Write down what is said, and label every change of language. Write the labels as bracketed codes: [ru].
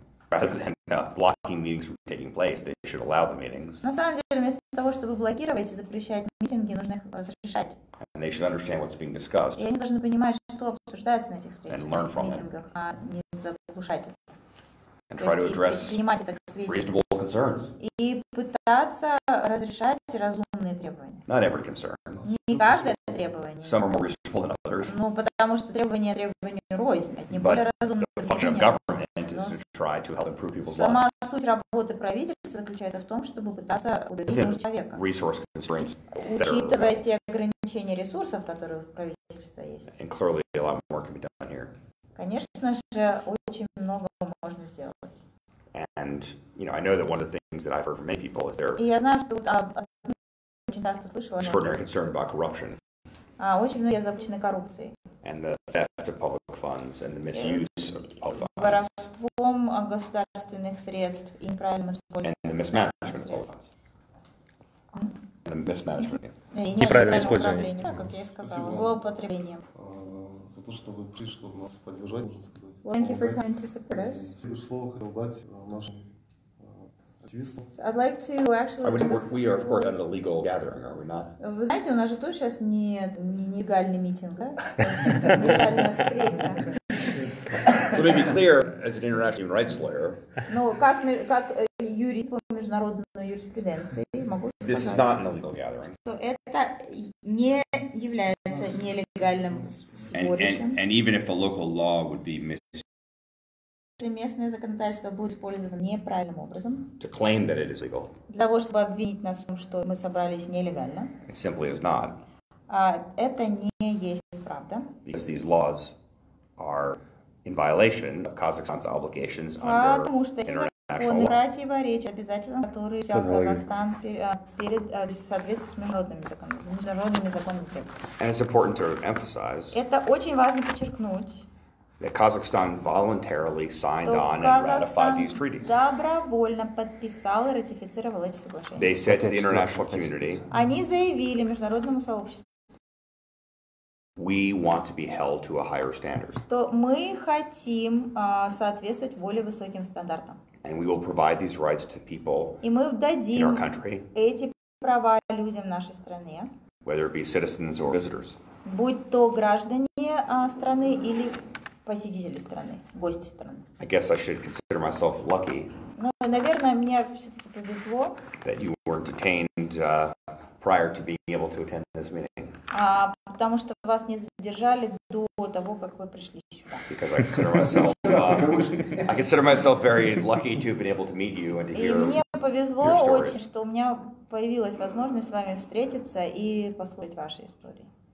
[en] Rather than blocking meetings from taking place, they should allow the meetings. [ru] На самом деле, вместо того, чтобы блокировать и запрещать митинги, нужно их разрешать. [en] And they should understand what's being discussed. [ru] И они должны понимать, что обсуждается на этих встречах, митингах, а не заглушать их. [en] And try to address reasonable concerns. [ru] И пытаться разрешать разумные требования. [en] Not every concern. [ru] Не каждое требование. [en] Some are more reasonable than others. [ru] Ну, потому что требования требования рознь, одни более разумные, другие нет. [en] But the function of government. Try to help improve people's [ru] сама [en] lives. [ru] Суть работы правительства заключается в том, чтобы пытаться улучшить человека, учитывая те ограничения ресурсов, которые у правительства есть. [en] And clearly a lot more can be done here. [ru] Конечно же, очень много можно сделать. И я знаю, что очень часто слышала [en] extraordinary concern about corruption. [ru] Очень многие озабочены коррупцией. [en] And the theft of public funds and the misuse of funds. [ru] Воровством государственных средств и неправильным использованием. [en] And the mismanagement of public funds. The mismanagement. [ru] И неправильное использование. Да, как я и сказала, злоупотребление. За то, что вы пришли, чтобы нас поддержать, можно сказать. [en] Thank you for coming to support us. [ru] Следующее слово хотел дать нашим активистам. [en] I'd like to actually. We are of course at a legal gathering, are we not? [ru] Вы знаете, у нас же тоже сейчас не нелегальный митинг, да? Нелегальная встреча. [en] So to be clear, as an international human rights lawyer. [ru] Ну, как юрист по международной юриспруденции, могу сказать. [en] This is not a legal gathering. [ru] То это не является нелегальным сборищем. [en] And even if the local law would be misused. [ru] Если местное законодательство будет использовано неправильным образом, [en] to claim that it is legal. [ru] Для того, чтобы обвинить нас в том, что мы собрались нелегально, [en] it simply is not. [ru] Это не есть правда. [en] Because these laws are in violation of Kazakhstan's obligations under [ru] потому что эти законы противоречат обязательствам, которые взял Казахстан перед соответствием с международными законами. [en] And it's important to emphasize. [ru] Это очень важно подчеркнуть. [en] That Kazakhstan voluntarily signed on and ratified these treaties. [ru] Добровольно подписал и ратифицировал эти соглашения. [en] They said to the international community. [ru] Они заявили международному сообществу. [en] We want to be held to a higher standard. [ru] Что мы хотим соответствовать более высоким стандартам. [en] And we will provide these rights to people in our country. [ru] Эти права людям в нашей стране. [en] Whether it be citizens or visitors. [ru] Будь то граждане страны или посетители страны, гости страны. [en] I guess I should consider myself lucky. [ru] Ну, наверное, мне все-таки повезло. [en] That you weren't detained prior to being able to attend this meeting. [ru] Потому что вас не задержали до того, как вы пришли сюда. [en] Because I consider myself, I consider myself very lucky to have been able to meet you and to hear your stories. [ru] И мне повезло очень, что у меня появилась возможность с вами встретиться и послушать ваши истории.